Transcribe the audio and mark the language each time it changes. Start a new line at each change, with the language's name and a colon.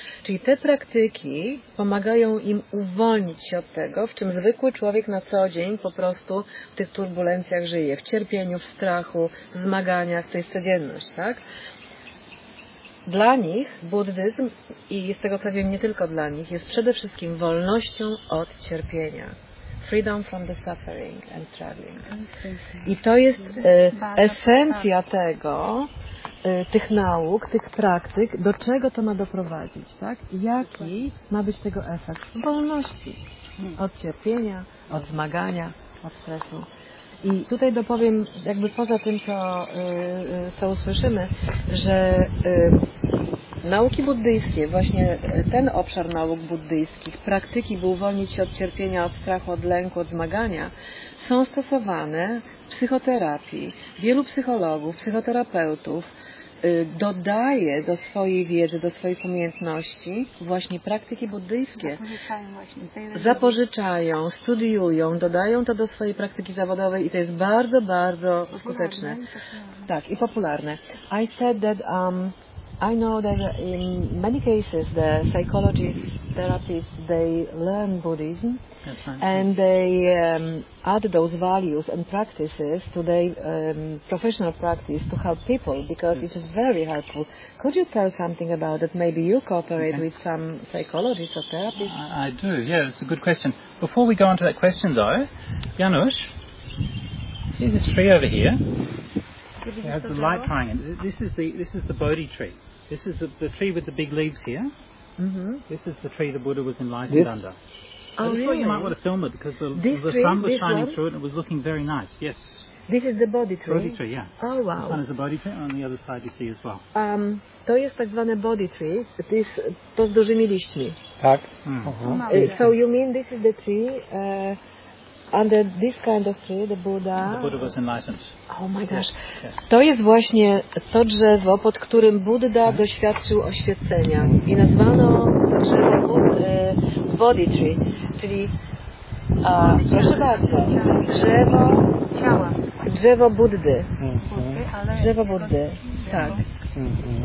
Polish: Czyli te praktyki pomagają im uwolnić się od tego, w czym zwykły człowiek na co dzień po prostu w tych turbulencjach żyje. W cierpieniu, w strachu, w zmaganiach, to jest codzienność, tak? Dla nich buddyzm, i z tego co wiem, nie tylko dla nich, jest przede wszystkim wolnością od cierpienia.
English: Freedom from the suffering and struggling.
Polish: I to jest esencja tego, tych nauk, tych praktyk, do czego to ma doprowadzić, tak? Jaki ma być tego efekt? Wolności od cierpienia, od zmagania, od stresu. I tutaj dopowiem, jakby poza tym, co usłyszymy, że nauki buddyjskie, właśnie ten obszar nauk buddyjskich, praktyki, by uwolnić się od cierpienia, od strachu, od lęku, od zmagania, są stosowane w psychoterapii. Wielu psychologów, psychoterapeutów dodaje do swojej wiedzy, do swoich umiejętności właśnie praktyki buddyjskie. Zapożyczają, studiują, dodają to do swojej praktyki zawodowej i to jest bardzo, bardzo skuteczne. Tak, i popularne.
English: I said that I know that in many cases the psychology therapists, they learn Buddhism and they add those values and practices to their professional practice to help people, because it is very helpful. Could you tell something about it? Maybe you cooperate with some psychologists or therapists? I do, yeah, that's a good question. Before we go on to that question though, Janusz, see this tree over here? It has the light triangle. This is the Bodhi tree. This is the tree with the big leaves here. Mm-hmm. This is the tree the Buddha was enlightened under. Oh, this is really? You might want to film it, because the sun was shining through it and it was looking very nice. Yes. This is the Bodhi tree? Bodhi tree, yeah. Oh, wow. This one is the Bodhi tree, on the other side you see as well.
Polish: To jest tak zwane Bodhi tree, to z dużymi liśćmi. Tak. Mm-hmm.
English: So you mean this is the tree, under this kind of tree, the Buddha... And the Buddha was enlightened. Oh my gosh. Yes.
Polish: To jest właśnie to drzewo, pod którym Buddha doświadczył oświecenia. I nazwano to drzewo Bodhi tree, czyli proszę bardzo, drzewo ciała. Drzewo Buddy. Mm-hmm. Drzewo Buddy, tak. Mm-hmm.